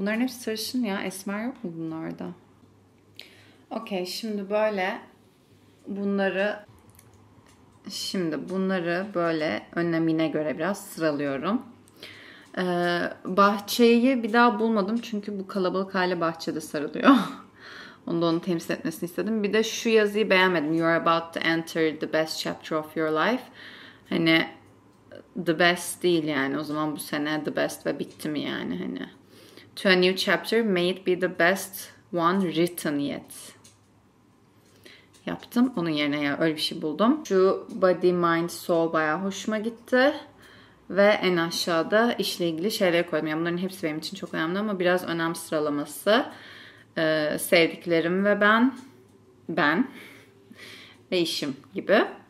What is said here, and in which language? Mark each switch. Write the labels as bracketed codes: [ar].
[tr] Bunların hepsi sarışın ya. Esmer yok mu bunlarda? Okay, şimdi böyle bunları böyle önlemine göre biraz sıralıyorum. Bahçeyi bir daha bulmadım çünkü bu kalabalık aile bahçede sarılıyor. Onu da onu temsil etmesini istedim. Bir de şu yazıyı beğenmedim. [en] You are about to enter the best chapter of your life. [tr] Hani the best değil yani. O zaman bu sene the best ve bitti mi yani? [en] Hani to a new chapter, may it be the best one written yet. [tr] Yaptım. Onun yerine ya öyle bir şey buldum. Şu body, mind, soul bayağı hoşuma gitti. Ve en aşağıda işle ilgili şeyler koydum. Yani bunların hepsi benim için çok önemli ama biraz önem sıralaması. Sevdiklerim ve ben ve işim gibi.